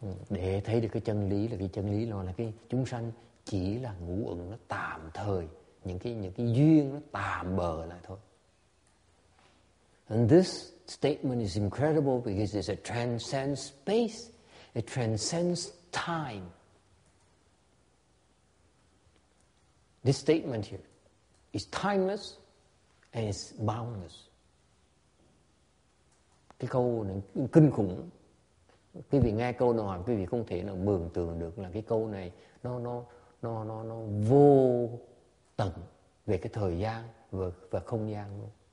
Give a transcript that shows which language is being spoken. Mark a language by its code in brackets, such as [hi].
[vi] Để thấy được cái chân lý là cái chân lý là cái chúng sanh chỉ là ngũ uẩn nó tạm thời, những cái duyên nó tạm bờ lại thôi. [en] And this statement is incredible because it transcends space, it transcends time. This statement here is timeless and it's boundless. [vi] Cái câu này kinh khủng. Quý vị nghe câu này hoặc quý vị không thể nào mường tượng được là cái câu này nó vô tận về cái thời gian và không gian luôn.